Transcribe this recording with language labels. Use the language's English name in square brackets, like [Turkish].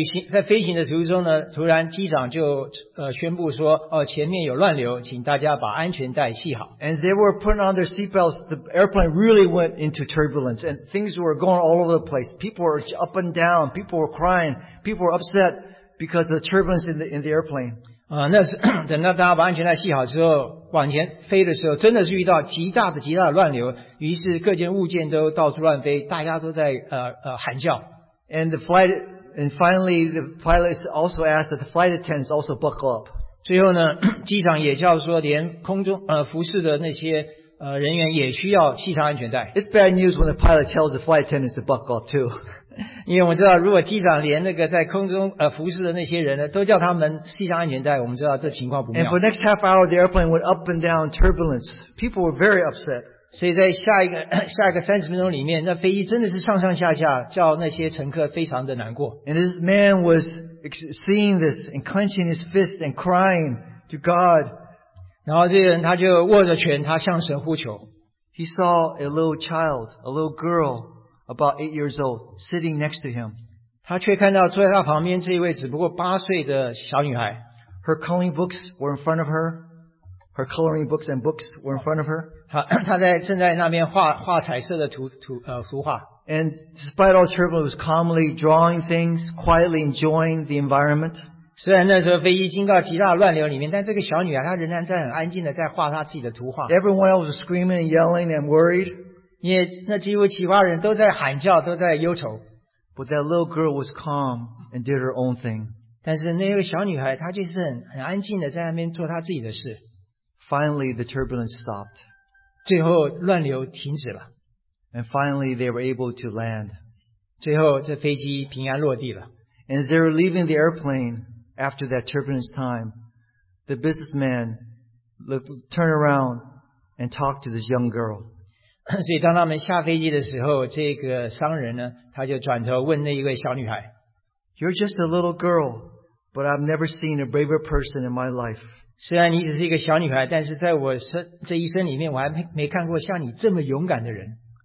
[Chinese] 在飞行的途中呢，突然机长就宣布说，哦，前面有乱流，请大家把安全带系好。 [English] And they were putting on their seatbelts. The airplane really went into turbulence, and things were going all over the place. People were up and down. People were crying. People were upset because of the turbulence in the airplane. [Chinese] 等到大家把安全带系好之后，往前飞的时候，真的是遇到极大的乱流，于是各件物件都到处乱飞，大家都在喊叫。 [English] And the flight, and finally, the pilots also asked that the flight attendants also buckle up. [Chinese] 最后呢，机长也叫说，连空中服侍的那些人员也需要系上安全带。 [English] It's bad news when the pilot tells the flight attendants to buckle up too. [Chinese] 因为我知道，如果机长连那个在空中服侍的那些人呢，都叫他们系上安全带，我们知道这情况不妙。 [English] And for the next half hour, the airplane went up and down, turbulence. People were very upset. [Chinese] 所以在下一个30分钟里面，那飞机真的是上上下下，叫那些乘客非常的难过。 [English] And this man was seeing this and clenching his fist and crying to God. [Chinese] 然后这个人他就握着拳，他向神呼求。 [English] He saw a little child, a little girl, about 8 years old, sitting next to him. [Chinese] 他却看到坐在他旁边这一位只不过8岁的小女孩。 [English] Her coloring books were in front of her. Her coloring books and books were in front of her. [Chinese] 他正在那边画彩色的图画。 [English] And despite all trouble, he was calmly drawing things, quietly enjoying the environment. [Chinese] 虽然那时候飞机经过极大乱流里面，但这个小女孩她仍然在很安静的在画她自己的图画。 [English] Everyone else was screaming and yelling and worried. [Chinese] 因为那几乎其他人都在喊叫，都在忧愁。 [English] But that little girl was calm and did her own thing. [Chinese] 但是那个小女孩她就是很安静的在那边做她自己的事。 [English] Finally, the turbulence stopped. [Chinese] 最后乱流停止了。 [English] And finally they were able to land. [Chinese] 最后这飞机平安落地了。 [English] And as they were leaving the airplane after that turbulence time, the businessman turned around and talked to this young girl. [Chinese] 所以当他们下飞机的时候，这个商人呢，他就转头问那一位小女孩。 [English] You're just a little girl, but I've never seen a braver person in my life. [Chinese] 虽然你只是一个小女孩，但是在我这一生里面，我还没看过像你这么勇敢的人。